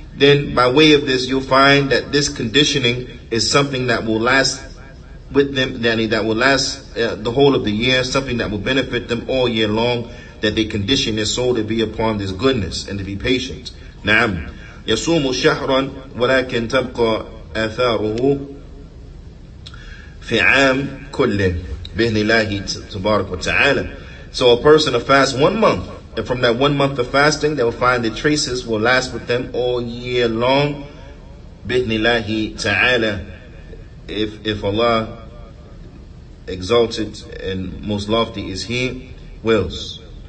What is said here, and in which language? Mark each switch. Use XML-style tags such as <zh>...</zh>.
<en>Then by way of this, you'll find that this conditioning is something that will last with them, that will last the whole of the year, something that will benefit them all year long, that they condition their soul to be upon this goodness and to be patient.</en> <ar>Na'am. يصوم شهرا ولكن تبقى آثاره في عام كل بإذن الله تبارك وتعالى.</ar> <en>So a person will fast 1 month, and from that 1 month of fasting, they will find the traces will last with them all year long,</en> <ar>بإذن الله تعالى,</ar> <en>if Allah exalted and most lofty is He wills.</en>